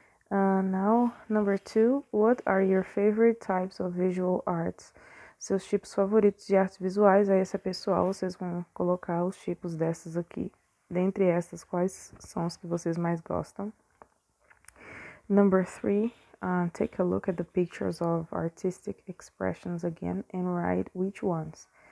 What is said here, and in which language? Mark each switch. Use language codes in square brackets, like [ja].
[en] Now, number 2, what are your favorite types of visual arts? [pt] Seus tipos favoritos de artes visuais, aí essa pessoal, vocês vão colocar os tipos dessas aqui. Dentre essas, quais são os que vocês mais gostam? [en] Number 3, take a look at the pictures of artistic expressions again and write which ones.